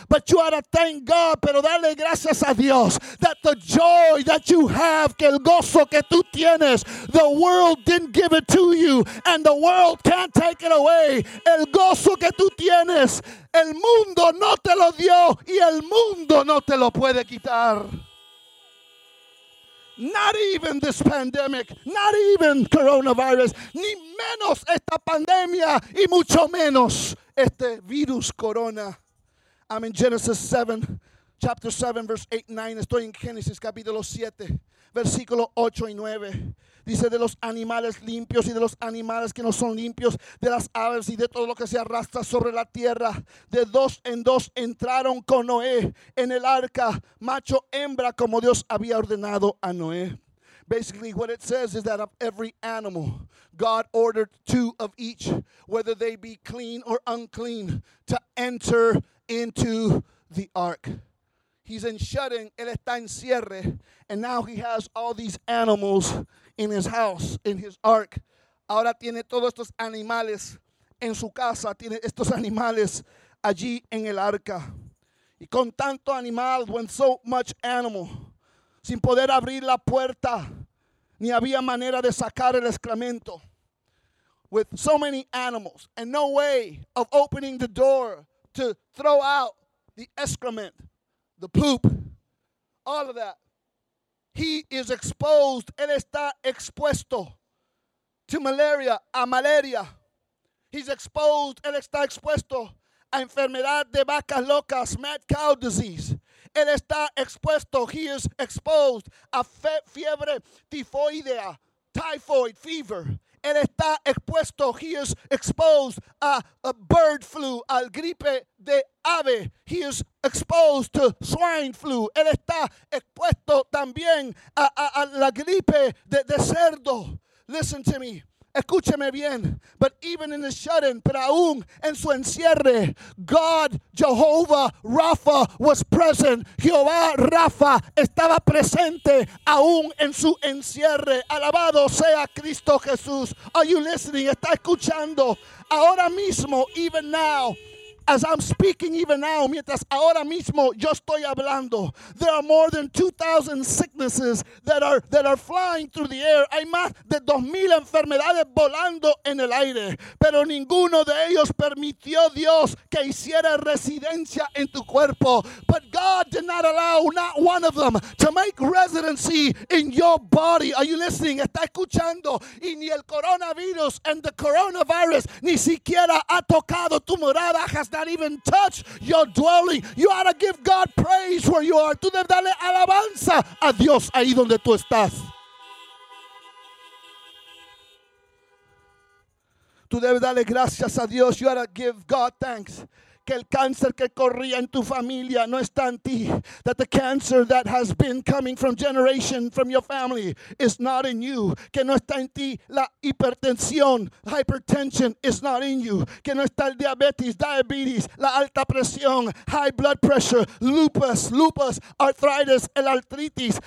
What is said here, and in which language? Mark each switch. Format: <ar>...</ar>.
<en>But you ought to thank God,</en> <es>pero dale gracias a Dios,</es> <en>that the joy that you have,</en> <es>que el gozo que tú tienes,</es> <en>the world didn't give it to you, and the world can't take it away.</en> <es>El gozo que tú tienes, el mundo no te lo dio y el mundo no te lo puede quitar.</es> <en>Not even this pandemic, not even coronavirus,</en> <es>ni menos esta pandemia y mucho menos este virus corona.</es> <en>I'm in Genesis 7, chapter 7, verse 8 and 9.</en> <es>Estoy en Génesis capítulo 7, versículo 8 y 9. Dice, de los animales limpios y de los animales que no son limpios, de las aves y de todo lo que se arrastra sobre la tierra. De dos en dos entraron con Noé en el arca, macho, hembra, como Dios había ordenado a Noé.</es> <en>Basically, what it says is that of every animal, God ordered two of each, whether they be clean or unclean, to enter into the ark. He's in shutting,</en> <es>él está en cierre,</es> <en>and now he has all these animals in his house, in his ark.</en> <es>Ahora tiene todos estos animales en su casa. Tiene estos animales allí en el arca. Y con tanto animal,</es> <en>when so much animal,</en> <es>sin poder abrir la puerta, ni había manera de sacar el excremento.</es> <en>With so many animals and no way of opening the door to throw out the excrement, the poop, all of that. He is exposed,</en> <es>él está expuesto</es> <en>to malaria,</en> <es>a malaria.</es> <en>He's exposed,</en> <es>él está expuesto a enfermedad de vacas locas,</es> <en>mad cow disease.</en> <es>Él está expuesto,</es> <en>he is exposed</en> <es>a fiebre tifoidea, typhoid fever. Él está expuesto,</es> <en>he is exposed</en> <es>a</es> <en>bird flu,</en> <es>al gripe de ave.</es> <en>He is exposed to swine flu.</en> <es>Él está expuesto también a la gripe de cerdo.</es> <en>Listen to me.</en> <es>Escúcheme bien.</es> <en>But even in the shut-in,</en> <es>pero aún en su encierre,</es> <en>God, Jehovah, Rapha was present.</en> <es>Jehová Rapha estaba presente aún en su encierre. Alabado sea Cristo Jesús.</es> <en>Are you listening?</en> <es>¿Está escuchando? Ahora mismo,</es> <en>even now, as I'm speaking even now,</en> <es>mientras ahora mismo yo estoy hablando,</es> <en>there are more than 2,000 sicknesses that are flying through the air.</en> <es>Hay más de 2,000 enfermedades volando en el aire. Pero ninguno de ellos permitió Dios que hiciera residencia en tu cuerpo.</es> <en>But God did not allow not one of them to make residency in your body. Are you listening?</en> <es>¿Está escuchando? Y ni el coronavirus</es> <en>and the coronavirus</en> <es>ni siquiera ha tocado tu morada,</es> <en>not even touch your dwelling. You ought to give God praise where you are.</en> <es>Tú debes darle alabanza a Dios ahí donde tú estás. Tú debes darle gracias a Dios.</es> <en>You ought to give God thanks.</en> <es>que el cáncer que corría en tu familia no está en ti.</es> <en>That the cancer that has been coming from generation from your family is not in you.</en> <es>Que no está en ti la hipertensión.</es> <en>Hypertension is not in you.</en> <es>Que no está el diabetes, la alta presión,</es> <en>high blood pressure,</en> <es>lupus, arthritis, el artritis.</es>